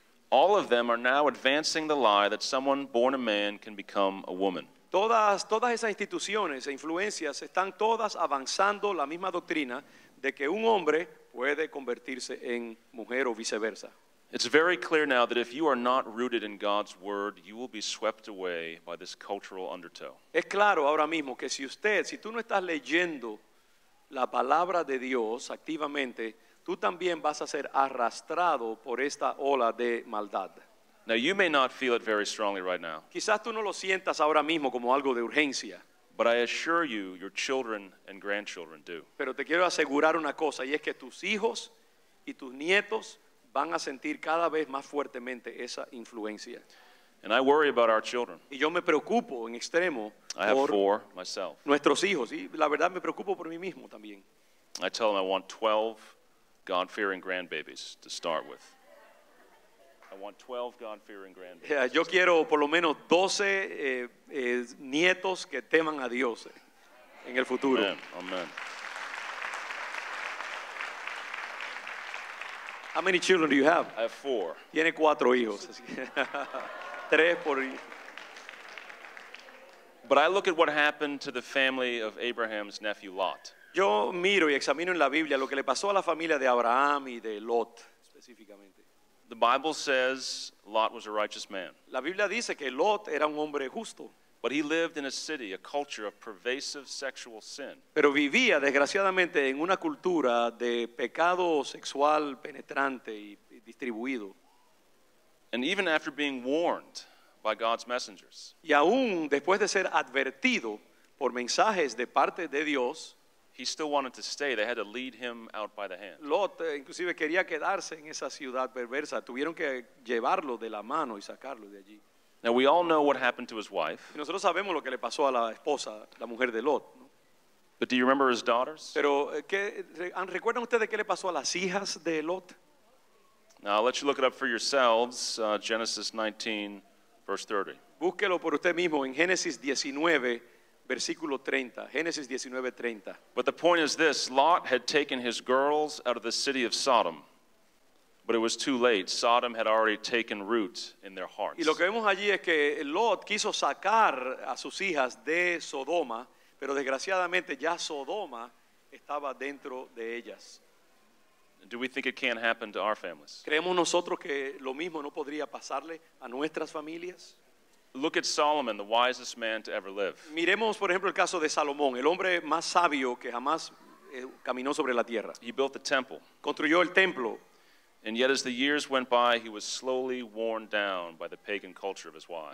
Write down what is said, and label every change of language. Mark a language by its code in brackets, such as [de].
[en] All of them are now advancing the lie that someone born a man can become a woman. [es] Todas esas instituciones e influencias están todas avanzando la misma doctrina de que un hombre puede convertirse en mujer o viceversa. [en] It's very clear now that if you are not rooted in God's word, you will be swept away by this cultural undertow. [es] Es claro ahora mismo que si tú no estás leyendo la palabra de Dios activamente, tú también vas a ser arrastrado por esta ola de maldad. [en] Now you may not feel it very strongly right now. [es] Quizás tú no lo sientas ahora mismo como algo de urgencia. [en] But I assure you, your children and grandchildren do. [es] Pero te quiero asegurar una cosa, y es que tus hijos y tus nietos van a sentir cada vez más fuertemente esa influencia. [en] And I worry about our children. [es] Y yo me preocupo en extremo por nuestros hijos. Y la verdad me preocupo por mí mismo también. [en] I tell them I want 12 God-fearing grandbabies to start with. I want 12 God-fearing grandbabies. [es] Yeah, yo quiero por lo menos 12 nietos que teman a Dios en el futuro. [en] Amen. Amen. How many children do you have? I have 4. [es] Tiene 4 hijos. Tres por hijo. [en] But I look at what happened to the family of Abraham's nephew Lot. [es] Yo miro y examino en la Biblia lo que le pasó a la familia de Abraham y de Lot, específicamente. [en] The Bible says Lot was a righteous man. [es] La Biblia dice que Lot era un hombre justo. [en] But he lived in a city, a culture of pervasive sexual sin. [es] Pero vivía, desgraciadamente, en una cultura de pecado sexual penetrante y distribuido. [en] And even after being warned by God's messengers. [es] Y aún después de ser advertido por mensajes de parte de Dios, [en] he still wanted to stay. They had to lead him out by the hand. [es] Lot inclusive quería quedarse en esa ciudad perversa. Tuvieron que llevarlo de la mano y sacarlo de allí. [en] Now we all know what happened to his wife. [es] Nosotros sabemos lo que le pasó a la esposa, la mujer de Lot, ¿no? [en] But do you remember his daughters? [es] Pero ¿recuerdan ustedes qué le pasó a las hijas de Lot? [en] Now I'll let you look it up for yourselves. Genesis 19, verse 30. [es] Búsquelo por usted mismo en Génesis 19. Versículo 30, Génesis 19:30. [en] But the point is this, Lot had taken his girls out of the city of Sodom, but it was too late. Sodom had already taken root in their hearts. [es] Y lo que vemos allí es que Lot quiso sacar a sus hijas de Sodoma, pero desgraciadamente ya Sodoma estaba dentro de ellas. [en] Do we think it can't happen to our families? [es] ¿Creemos nosotros que lo mismo no podría pasarle a nuestras familias? [en] Look at Solomon, the wisest man to ever live. [es] Miremos, por ejemplo, el caso de Salomón, el hombre más sabio que jamás caminó sobre la tierra. [en] He built the temple. [es] Construyó el templo. [en] And yet as the years went by, he was slowly worn down by the pagan culture of his wives.